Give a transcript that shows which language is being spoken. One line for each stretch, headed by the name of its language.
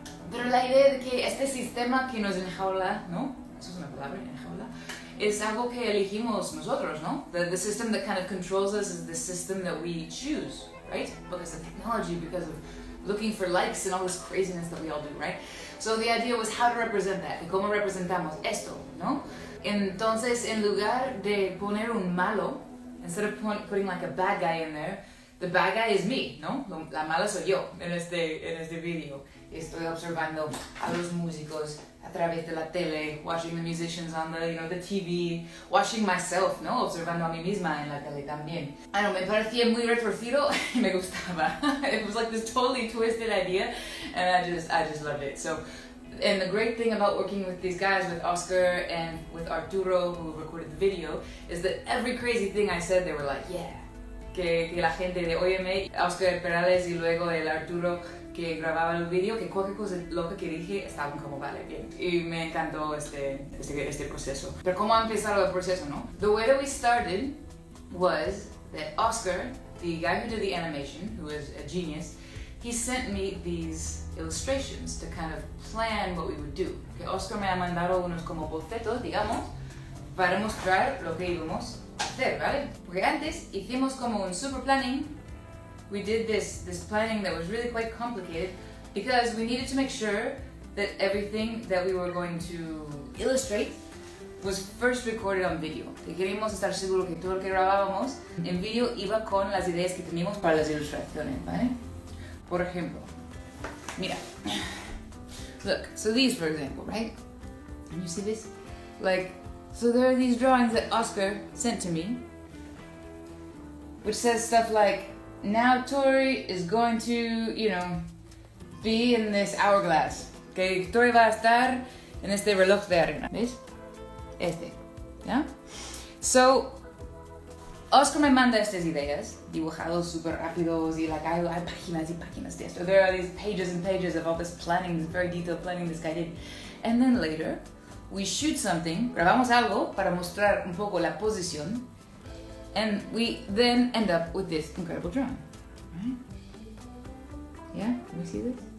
Spanish: pero la idea de que este sistema que nos enjaula, ¿no? Eso es una palabra, enjaula, es algo que elegimos nosotros, ¿no?
English: The system that kind of controls us is the system that we choose, right? Because of technology, because of looking for likes and all this craziness that we all do, right? So the idea was how to represent that,
Spanish: cómo representamos esto,
English: ¿no?
Spanish: Entonces, en lugar de poner un malo,
English: instead of putting like a bad guy in there, the bad guy is me, ¿no?
Spanish: La mala soy yo en este video. Estoy observando a los músicos a través de la tele,
English: watching the musicians on the, you know, the TV, watching myself,
Spanish: ¿no? Observando a mí misma en la tele también. Ah, no, me parecía muy retorcido y me gustaba.
English: It was like this totally twisted idea, and I just loved it. So, and the great thing about working with these guys, with Oscar and with Arturo, who recorded the video, is that every crazy thing I said, they were like, yeah.
Spanish: Que la gente de Oyeme, Oscar Perales y luego el Arturo, que grababa el video, que cualquier cosa loca que dije estaba como vale, bien. Y me encantó este proceso. Pero ¿cómo ha empezado el proceso, no?
English: The way that we started was that Oscar, the guy who did the animation, who is a genius, he sent me these illustrations to kind of plan what we would do.
Spanish: Que Oscar me ha mandado unos como bocetos, digamos, para mostrar lo que íbamos a hacer, ¿vale? Porque antes hicimos como un super planning.
English: We did this planning that was really quite complicated Because we needed to make sure that everything that we were going to illustrate was first recorded on video.
Spanish: Que queríamos estar seguros que todo lo que grabábamos en video iba con las ideas que teníamos para las ilustraciones, ¿vale? Por ejemplo, mira.
English: Look, so these, for example, right? Can you see this? Like, so there are these drawings that Oscar sent to me, which says stuff like, now Tori is going to, you know, be in this hourglass.
Spanish: Okay, Tori va a estar en este reloj de arena. ¿Ves? Este. Yeah? So, Oscar me manda estas ideas, dibujados super rápidos, y like, hay páginas y páginas de esto.
English: There are these pages and pages of all this planning, this very detailed planning this guy did. And then later, we shoot something,
Spanish: grabamos algo para mostrar un poco la posición,
English: and we then end up with this incredible drawing. Right? Yeah, can we see this?